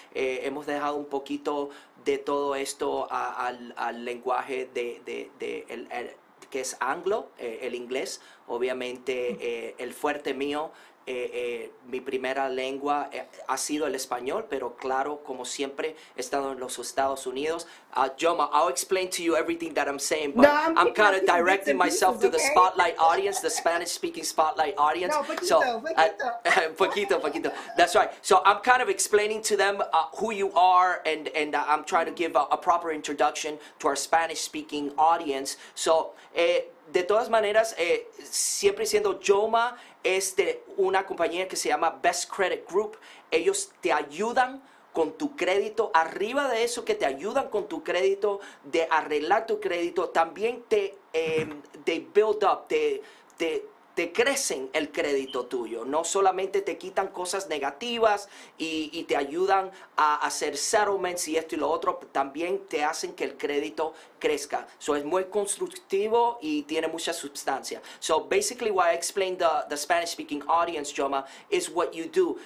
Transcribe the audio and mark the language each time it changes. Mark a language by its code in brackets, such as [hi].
[es] Hemos dejado un poquito de todo esto al lenguaje de el que es anglo, el inglés, obviamente. Mm-hmm. El fuerte mío. Mi primera lengua ha sido el español, pero claro, como siempre, he estado en los Estados Unidos. [en] Joma, I'll explain to you everything that I'm saying, but no, I'm kind of directing myself to the spotlight audience, the Spanish-speaking spotlight audience. [es] No, poquito. [en] That's right. So I'm kind of explaining to them who you are, and I'm trying to give a proper introduction to our Spanish-speaking audience. [es] So, de todas maneras, siempre siendo Joma, es de una compañía que se llama Best Credit Group. Ellos te ayudan con tu crédito. Arriba de eso, que te ayudan con tu crédito, de arreglar tu crédito, también [en] they build up, [es] te crecen el crédito tuyo. No solamente te quitan cosas negativas y te ayudan a hacer settlements y esto y lo otro, también te hacen que el crédito crezca. So es muy constructivo y tiene mucha sustancia. [en] So basically why I explained the Spanish speaking audience, Joma, is what you do.